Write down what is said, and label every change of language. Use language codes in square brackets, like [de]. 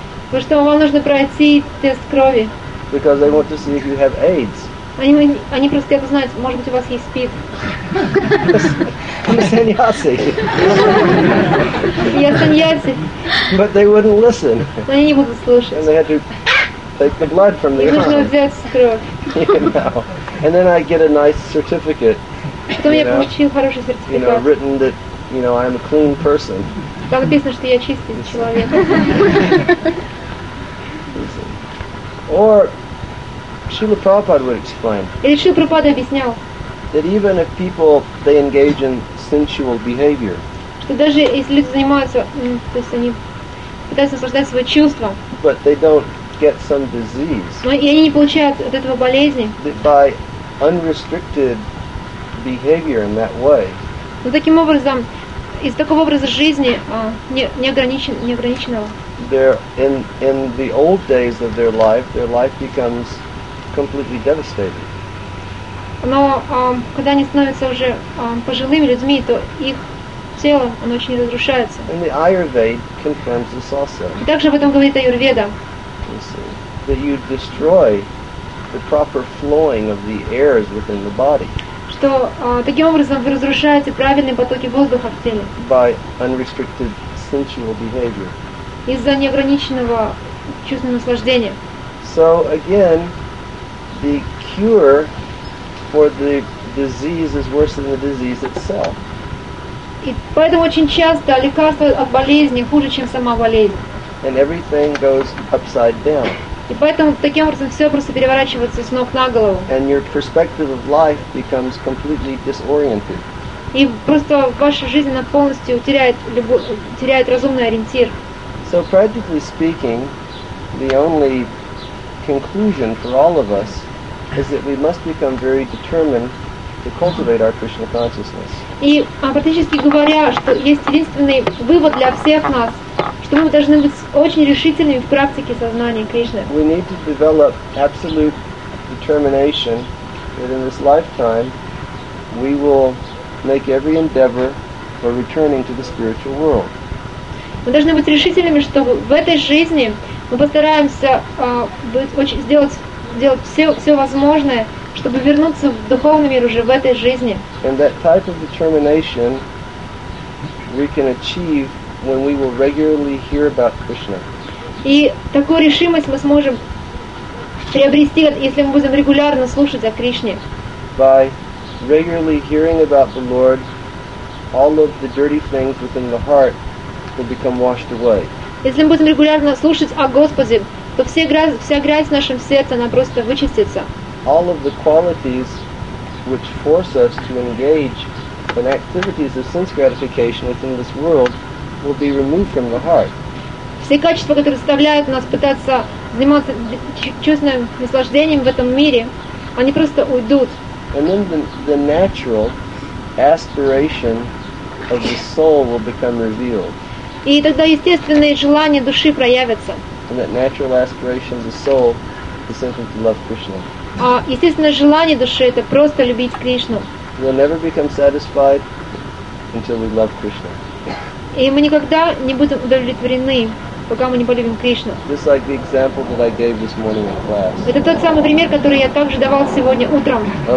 [ru] Потому что вам нужно пройти тест крови. [en] Because they want to see if you have AIDS. [ru] Они просто хотят узнать, может быть, у вас есть СПИД. [en] I'm sannyasi. [ru] Я sannyasi. [en] But they wouldn't listen. [ru] Но они не будут слушать. [en] And they had to take the blood from their arm. [ru] И нужно взять кровь. [en] You know. And then I get a nice certificate. [ru] Что я получил хороший сертификат. [en] You know, written that, you know, I'm a clean person. [ru] Там написано, что я чистый человек. [en] Or Srila Prabhupada would explain. [ru] Или Шрила Прабхупада объяснял. [en] That even if people they engage in sensual behavior. [ru] Что даже если люди занимаются, то есть они пытаются наслаждать свои чувства. [en] But they don't get some disease. [ru] Но и они не получают от этого болезни. [en] By unrestricted behavior in that way. [ru] Но таким образом, из такого образа жизни неограниченного. [en] In the old days of their life becomes completely devastated. [ru] Но когда они становятся уже пожилыми людьми, то их тело, оно очень разрушается. [en] And the Ayurveda confirms this also. [ru] И также об этом говорит Аюрведа. [en] That you destroy the proper flowing of the airs within the body. [ru] Что таким образом вы разрушаете правильные потоки воздуха в теле. [en] By unrestricted sensual behavior. [ru] Из-за неограниченного чувственного наслаждения. [en] So again, the cure for the disease is worse than the disease itself. [ru] И поэтому очень часто лекарство от болезни хуже, чем сама болезнь. [en] And everything goes upside down. [ru] И поэтому таким образом все просто переворачивается с ног на голову. [en] And your perspective of life becomes completely disoriented. [ru] И просто ваша жизнь она полностью теряет разумный ориентир. [en] So practically speaking, the only conclusion for all of us is that we must become very determined to cultivate our Krishna consciousness. [ru] И практически говоря, что есть единственный вывод для всех нас. Что мы должны быть очень решительными в практике сознания Кришны. [en] We need to develop absolute determination that in this lifetime we will make every endeavor for returning to the spiritual world. [ru] Мы должны быть решительными, что в этой жизни мы постараемся сделать все возможное, чтобы вернуться в духовный мир уже в этой жизни. [en] And that type of determination we can achieve when we will regularly hear about Krishna. [ru] И такую решимость мы сможем приобрести, если мы будем регулярно слушать о Кришне. [en] By regularly hearing about the Lord, all of the dirty things within the heart will become washed away. [ru] Если мы будем регулярно слушать о Господе, то вся грязь в нашем сердце, она просто вычистится. [en] All of the qualities which force us to engage in activities of sense gratification within this world will be removed from the heart. [ru] Все качества, которые заставляют нас пытаться заниматься чувственным наслаждением в этом мире, они просто уйдут. [en] And then the natural aspiration of the soul will become revealed. [ru] И тогда естественные желания души проявятся. [en] And that natural aspiration of the soul is simply to love Krishna. [ru] А естественное желание души это просто любить Кришну. [en] We'll never become satisfied until we love Krishna. [ru] И мы никогда не будем удовлетворены, пока мы не полюбим Кришну. Это тот самый пример, который я также давал сегодня утром.